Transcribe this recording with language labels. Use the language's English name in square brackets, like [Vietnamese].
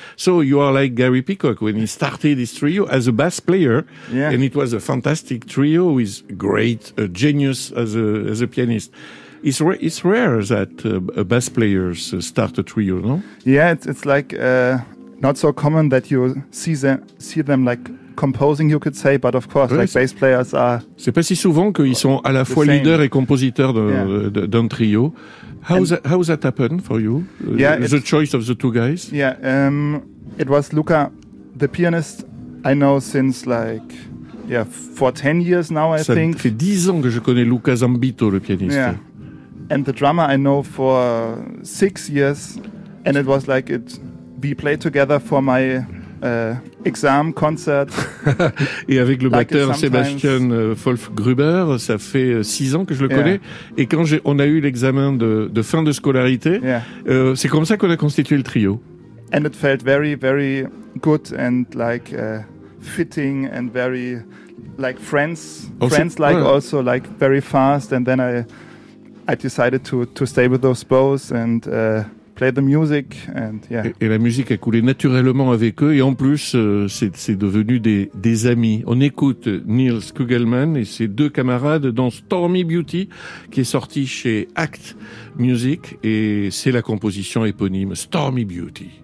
[English] So you are like Gary Peacock when he started his trio as a bass player, yeah. And it was a fantastic trio with great genius as a pianist. It's rare that bass players start a trio, no? Yeah, it's like not so common that you see them like composing, you could say, but of course, like bass players are. [French] C'est pas si souvent qu'ils sont à la fois leader et compositeur d'un trio. [English] How's that happen for you? The choice of the two guys. Yeah, it was Luca, the pianist I know since like for 10 years now. [French] Ça fait 10 ans que je connais Luca Zambito, le pianiste. [English] Yeah, and the drummer I know for 6 years, and it was like we played together for my exam concert. [French] Et avec le batteur Sébastien Wolfgruber, ça fait 6 ans que je le connais. [English] Yeah. [French] Et quand on a eu l'examen de fin de scolarité, c'est comme ça qu'on a constitué le trio. [English] And it felt very, very good and like fitting and very like friends-like also like very fast. And then I decided to stay with those both and play the music and [French] Et la musique a coulé naturellement avec eux et en plus c'est devenu des amis. On écoute Nils Kugelmann et ses deux camarades dans Stormy Beauty qui est sorti chez ACT Music et c'est la composition éponyme Stormy Beauty.